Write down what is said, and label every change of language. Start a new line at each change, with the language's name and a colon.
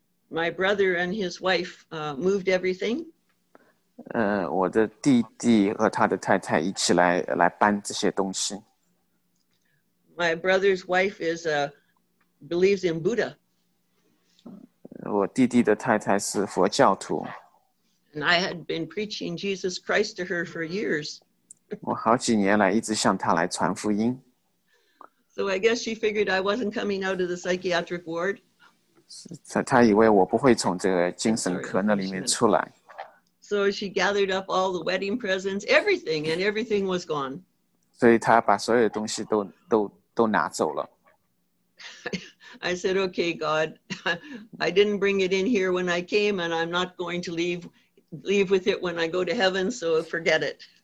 English: My brother and his wife moved everything.
Chinese: 我的弟弟和他的太太一起来搬这些东西。
English: My brother's wife believes in Buddha.
Chinese: 我弟弟的太太是佛教徒。
English: And I had been preaching Jesus Christ to her for years.
Chinese: 我好几年来一直向她来传福音。
English: So I guess she figured I wasn't coming out of the psychiatric ward.
Chinese: 她以为我不会从这个精神科那里面出来。
English: So she gathered up all the wedding presents, everything, and everything was gone.
Chinese: 所以她把所有的东西都拿走了。
English: I said, okay, God, I didn't bring it in here when I came, and I'm not going to leave with it when I go to heaven, so forget it.